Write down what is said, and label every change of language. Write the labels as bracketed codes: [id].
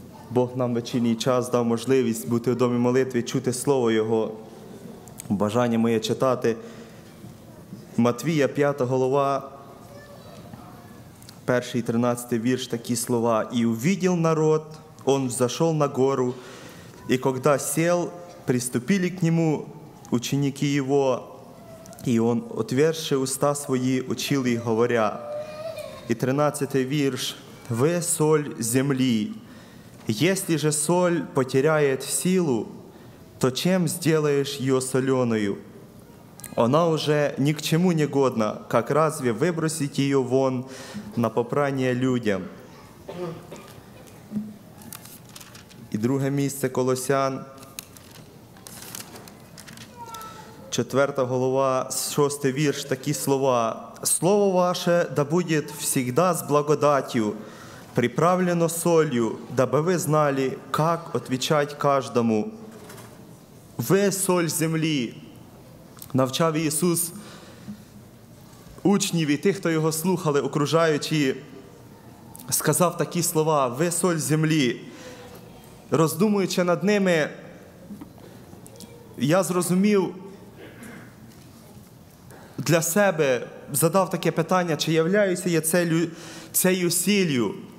[uk] Бог нам вечірній час дав можливість бути у домі молитви, чути Слово Його. Бажання моє читати Матвія, 5 глава, 1 і 13 вірш, такі слова. [ru] «І увидел народ, он взошел на гору, и когда сел, приступили к нему ученики его, и он, отверши уста свои, учил их, говоря». [uk] И 13 вірш. «Ви соль землі. [ru] Если же соль потеряет силу, то чем сделаешь ее соленою? Она уже ни к чему не годна, как разве выбросить ее вон на попрание людям?» [uk] І друге місце, Колосян, 4 глава, 6 вірш, такі слова. [ru] «Слово ваше да буде всегда з благодатью, приправлено солью, дабы ви знали, как отвечать каждому. [uk] Ви соль землі», навчав Ісус учнів і тих, хто його слухали, окружаючи, сказав такі слова. «Ви соль землі». Роздумуючи над ними, я зрозумів для себе, задав таке питання, чи являюся я цією сіллю.